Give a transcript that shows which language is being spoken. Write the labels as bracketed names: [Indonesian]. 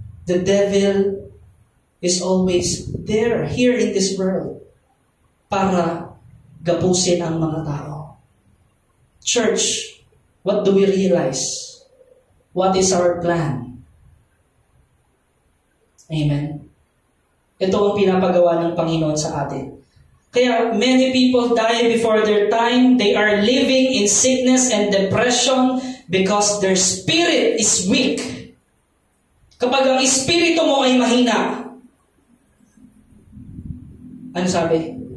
[English] The devil is always there, here in this world, [Filipino] para gapusin ang mga tao. [English] Church, what do we realize? What is our plan? Amen? [Filipino] Ito ang pinapagawa ng Panginoon sa atin. [English] Kaya many people die before their time. They are living in sickness and depression because their spirit is weak. [Filipino] Kapag ang espiritu mo ay mahina, ano sabi?